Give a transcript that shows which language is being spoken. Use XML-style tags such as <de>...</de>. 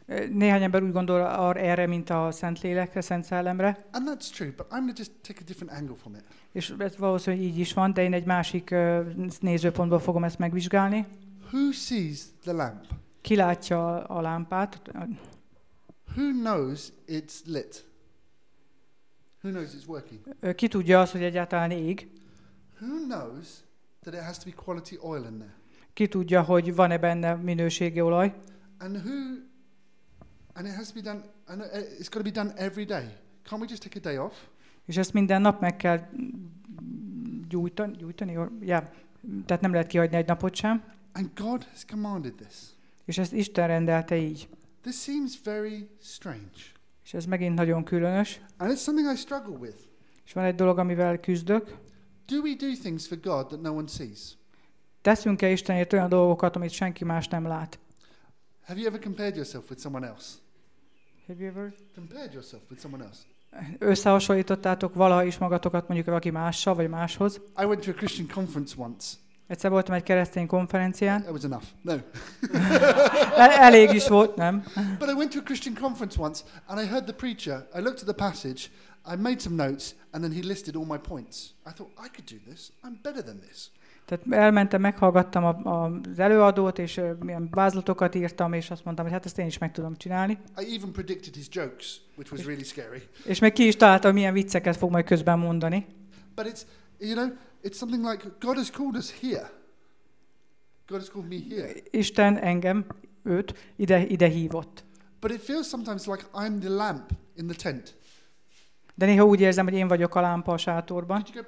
<hu>Néhány ember úgy gondol erre, mint a Szentlélekre, Szent Szellemre.</hu> <en>And that's true, but I'm going to just take a different angle from it.</en> <hu>És ez valószínűleg így is van, de én egy másik nézőpontból fogom ezt megvizsgálni.</hu> <en>Who sees the lamp?</en> <hu>Ki látja a lámpát?</hu> <en>Who knows it's lit? Who knows it's working?</en> <hu>Ki tudja azt, hogy egyáltalán ég?</hu> <en>Who knows that it has to be quality oil in there?</en> <hu>Ki tudja, hogy van-e benne minőségi olaj?</hu> <en>And it has to be done. And it's got to be done every day. Can't we just take a day off?</en> <hu>És ezt minden nap meg kell gyújtani, yeah. Tehát nem lehet kihagyni egy napot sem.</hu> <en>And God has commanded this.</en> <hu>És ezt Isten rendelte így.</hu> <en>This seems very strange.</en> <hu>És ez megint nagyon különös.</hu> <en>And it's something I struggle with.</en> <hu>És van egy dolog, amivel küzdök.</hu> <en>Do we do things for God that no one sees?</en> <hu>Teszünk-e Istenért olyan dolgokat, amit senki más nem lát?</hu> <en>Have you ever compared yourself with someone else? Have you ever compared yourself with someone else?</en> <hu>Összehasonlítottátok valaha is magatokat mondjuk valaki mással vagy máshoz?</hu> <en>I went to a Christian conference once.</en> <hu>Egyszer voltam egy keresztény konferencián.</hu> <en>That was enough. No.</en> <hu>Elég is volt, nem?</hu> <en>But I went to a Christian conference once and I heard the preacher. I looked at the passage. I made some notes and then he listed all my points. I thought I could do this. I'm better than this.</en> <hu>Tehát elmentem, meghallgattam az előadót, és milyen vázlatokat írtam, és azt mondtam, hogy hát ezt én is meg tudom csinálni.</hu> <en>I even predicted his jokes, which was really scary.</en> <hu>És meg ki is találtam, milyen vicceket fog majd közben mondani.</hu> <en>But it's, you know, it's something like, God has called us here. God has called me here.</en> <hu>Isten engem, őt, ide hívott.</hu> <en>But it feels sometimes like I'm the lamp in the tent.</en> <hu>De néha úgy érzem, hogy én vagyok a lámpa a sátorban.</hu>